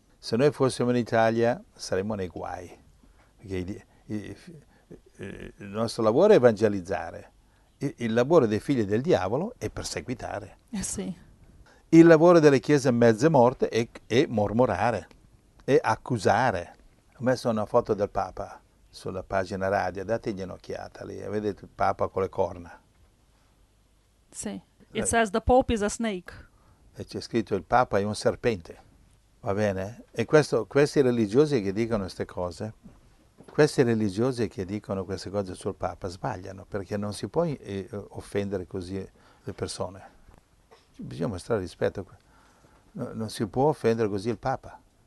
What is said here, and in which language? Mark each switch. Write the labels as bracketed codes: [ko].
[it] Se noi fossimo in Italia saremmo nei guai, perché il nostro lavoro è evangelizzare, il lavoro dei figli del diavolo è perseguitare. Sì. Il lavoro delle chiese mezze morte è mormorare, è accusare. Ho messo una foto del Papa sulla pagina radio, dategli un'occhiata lì, vedete il Papa con le corna. [en] Sì, it says the Pope is a snake. [it] E c'è scritto il Papa è un serpente. Va bene? E questi religiosi che dicono queste cose, questi religiosi che dicono queste cose sul Papa sbagliano, perché non si può offendere così le persone. Bisogna mostrare rispetto. Non si può offendere così il Papa.